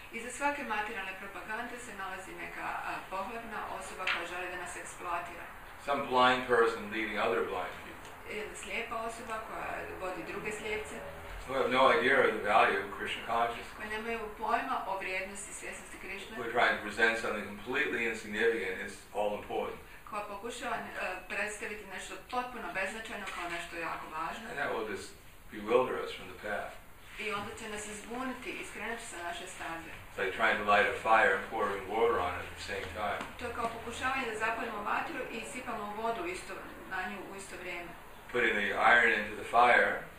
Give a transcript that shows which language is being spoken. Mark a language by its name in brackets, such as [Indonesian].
[Croatian] Iza svake materijalne propagande se nalazi neka pohlepna osoba koja želi da nas eksploatira. [English] Some blind person leading other blind people. [Croatian] Ili slijepa osoba koja vodi druge slijepce. [English] Who have no idea of the value of Krishna consciousness. [Croatian] Koji nemaju pojma o vrijednosti svjesnosti Krishna. [English] Who are trying to present something completely insignificant is all important. [Croatian] Koja pokušava predstaviti nešto potpuno beznačajno kao nešto jako važno. [English] And that will just bewilder us from the path. [Croatian] I onda će nas izbuniti I skrenuti sa naše staze. [English] It's like trying to light a fire and pouring water on it at the same time. [Croatian] To je kao pokušavanje da zapalimo vatru I sipamo vodu isto na nju u isto vrijeme. [English] Putting the iron into the fire.